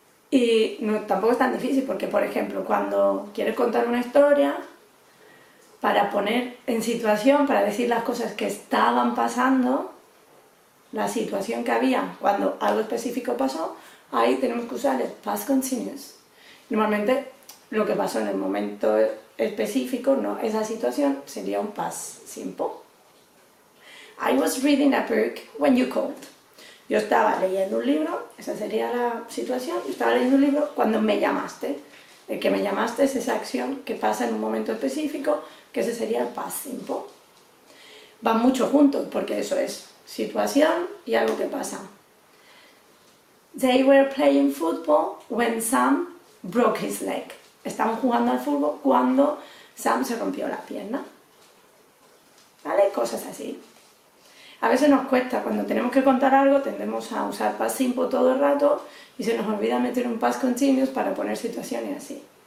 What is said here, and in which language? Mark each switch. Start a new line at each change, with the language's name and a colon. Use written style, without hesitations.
Spanish: Y no, tampoco es tan difícil porque, por ejemplo, cuando quieres contar una historia, para poner en situación, para decir las cosas que estaban pasando, la situación que había cuando algo específico pasó, ahí tenemos que usar el past continuous. Normalmente lo que pasó en el momento específico, no esa situación, sería un past simple.
English: I was reading a book when you called.
Spanish: Yo estaba leyendo un libro, esa sería la situación, yo estaba leyendo un libro cuando me llamaste. El que me llamaste es esa acción que pasa en un momento específico, que ese sería el past simple. Van mucho juntos, porque eso es situación y algo que pasa.
English: They were playing football when Sam broke his leg.
Spanish: Estaban jugando al fútbol cuando Sam se rompió la pierna. ¿Vale? Cosas así. A veces nos cuesta, cuando tenemos que contar algo, tendemos a usar past simple todo el rato y se nos olvida meter un past continuous para poner situaciones así.